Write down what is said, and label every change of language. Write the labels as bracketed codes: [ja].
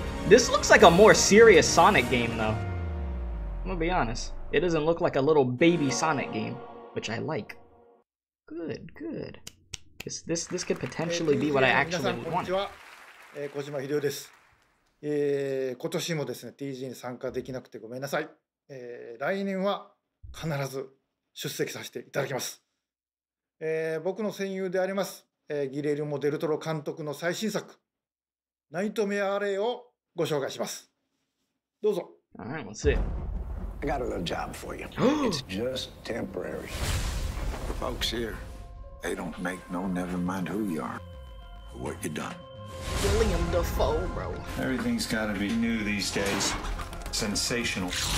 [en] This looks like a more serious Sonic game, though. I'm gonna be honest. It doesn't look like a little baby Sonic game. Which I like. Good, good. This could potentially be what I actually want. [ja] 小島秀夫です。今年もですね、TG に参加できなくてごめんなさい。来年は必ず出席させていただきます。僕の戦友であります、ギレルモ・デルトロ監督の最新作、ナイトメアアレイをご紹介します。どうぞ。 [en] All right, let's see. I got a little job for you. It's just temporary. The folks here, they don't make no never mind who you are or what you done. William Dafoe, bro. Everything's gotta be new these days. Sensational.